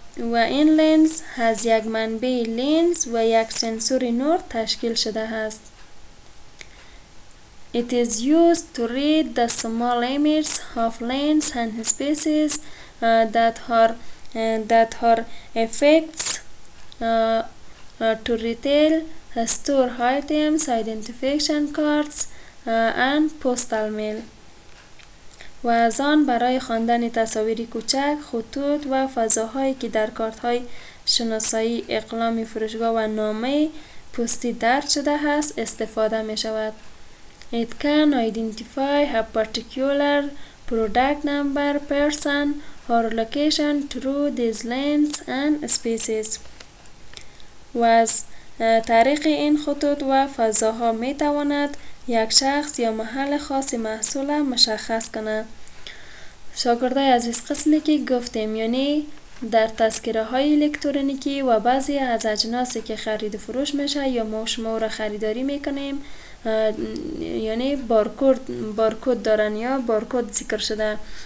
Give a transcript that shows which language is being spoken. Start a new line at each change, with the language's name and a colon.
Persian: و این
English: lens has
Persian: یک منبع lens و یک سنسور نور تشکیل شده است.
English: It is used to read the small images of lens and spaces that are effects to retail store items, identification cards, and postal mail.
Persian: و از آن برای خواندن تصاویر کوچک، خطوط و فضاهایی که در کارت های شناسایی، اقلام فروشگاه و نامه پستی درج شده است استفاده می شود.
English: It can identify a particular product number, person or location through these lanes and spaces.
Persian: و از طریق این خطوط و فضاها می تواند یک شخص یا محل خاص محصول مشخص کنه. شاگردای عزیز، قسمی که گفتیم یعنی در تذکره های الکترونیکی و بعضی از اجناسی که خرید و فروش میشه یا ما شما را خریداری میکنیم، یعنی بارکود دارن یا بارکود ذکر شده.